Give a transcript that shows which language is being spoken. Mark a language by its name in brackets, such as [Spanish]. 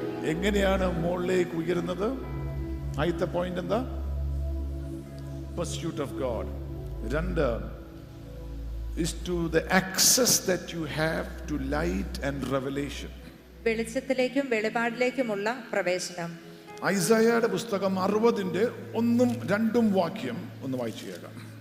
[Malayalam] എങ്ങനെയാണ് മുകളിലേക്ക് ഉയരുന്നത്? ആദ്യത്തെ പോയിന്റ് എന്താ? [English] Pursuit of God. [Malayalam] രണ്ട് [English] is to the access that you have to light and revelation. [Malayalam] വെളിച്ചത്തിലേക്കും വെളിപാടിലേക്കുമുള്ള പ്രവേശനം. ഐസായയുടെ പുസ്തകം 60-ന്റെ 1-ഉം 2-ഉം വാക്യം ഒന്ന് വായിച്ചു കേൾക്കാം.